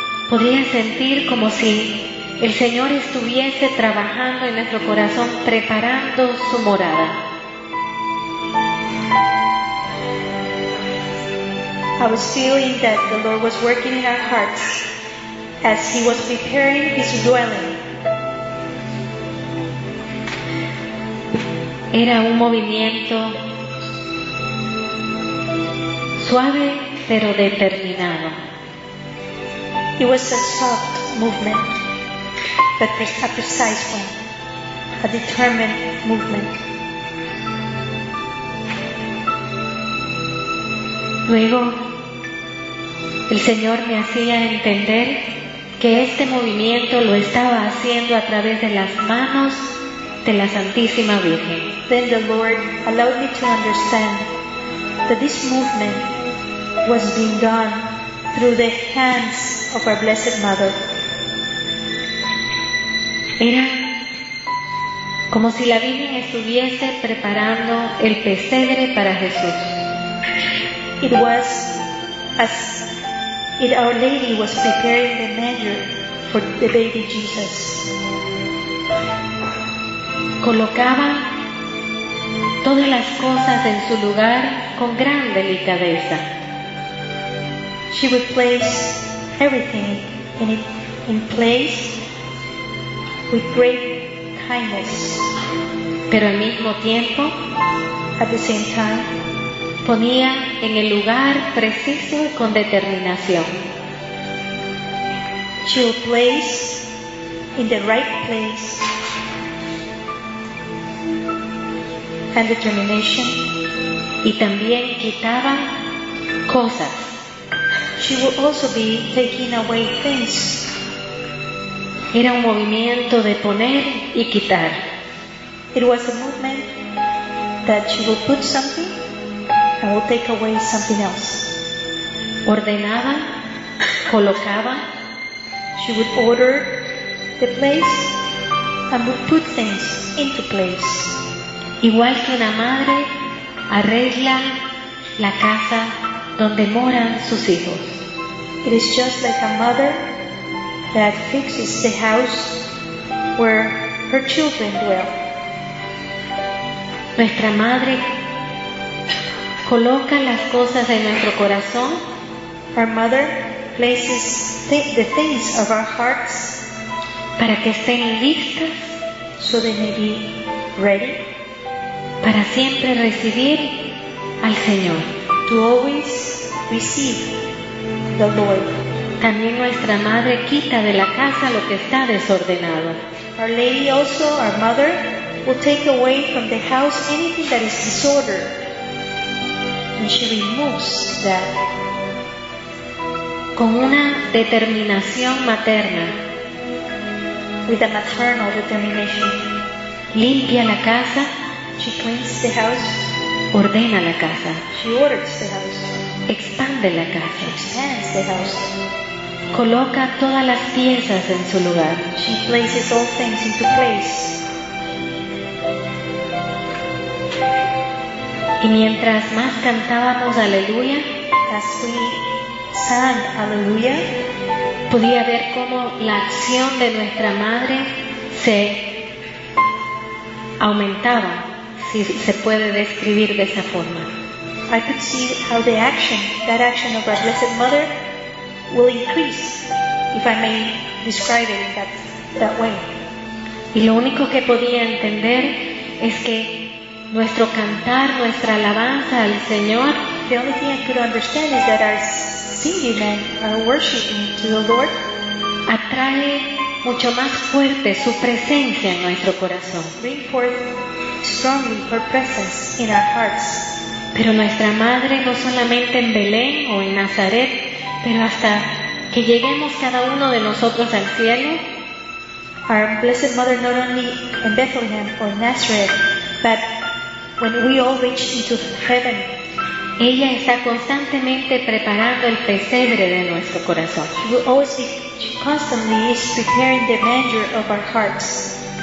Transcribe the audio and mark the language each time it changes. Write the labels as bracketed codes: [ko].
[es] Podría sentir como si el Señor estuviese trabajando en nuestro corazón, preparando su morada. [en] I was feeling that the Lord was working in our hearts as He was preparing His dwelling. [es] Era un movimiento suave pero determinado. [en] It was a soft movement, but a precise one, a determined movement. [es] Luego, el Señor me hacía entender que este movimiento lo estaba haciendo a través de las manos de la Santísima Virgen. [en] Then the Lord allowed me to understand that this movement was being done through the hands of our Blessed Mother. [es] Era como si la Virgen estuviese preparando el pesebre para Jesús. [en] It was as if Our Lady was preparing the manger for the baby Jesus. [es] Colocaba todas las cosas en su lugar con gran delicadeza. [en] She would place everything in place with great kindness. [es] Pero al mismo tiempo, [en] at the same time, [es] ponía en el lugar preciso y con determinación. [en] She would place in the right place and determination. [es] Y también quitaba cosas. [en] She will also be taking away things. [es] Era un movimiento de poner y quitar. [en] It was a movement that she will put something and will take away something else. [es] Ordenaba, colocaba. [en] She would order the place and would put things into place. [es] Igual que una madre arregla la casa donde moran sus hijos. [en] It is just like a mother that fixes the house where her children dwell. [es] Nuestra madre coloca las cosas en nuestro corazón. [en] Our mother places the things of our hearts [es] para que estén listas, [en] so they may be ready, [es] para siempre recibir al Señor. [en] To always receive the Lord. [es] También nuestra madre quita de la casa lo que está desordenado. [en] Our Lady also, our mother, will take away from the house anything that is disordered. And she removes that. [es] Con una determinación materna. [en] With a maternal determination. [es] Limpia la casa. [en] She cleans the house. [es] Ordena la casa. [en] She orders the house. [es] Expande la casa. [en] Expands the house. [es] Coloca todas las piezas en su lugar. [en] She places all things into place. [es] Y mientras más cantábamos aleluya, [en] as we sang aleluya, [es] podía ver cómo la acción de nuestra madre se aumentaba, si se puede describir de esa forma. [en] I could see how the action, that action of our Blessed Mother, will increase, if I may describe it in that way. [es] Y lo único que podía entender es que nuestro cantar, nuestra alabanza al Señor, [en] the only thing I could understand is that our singing and our worshiping to the Lord [es] atrae mucho más fuerte su presencia en nuestro corazón. [en] Bring forth strongly her presence in our hearts. [es] Pero nuestra madre no solamente en Belén o en Nazaret, pero hasta que lleguemos cada uno de nosotros al cielo, [en] our Blessed Mother not only in Bethlehem or Nazareth, but when we all reach into heaven, [es] ella está constantemente preparando el pesebre de nuestro corazón. [en] She constantly is preparing the manger of our hearts.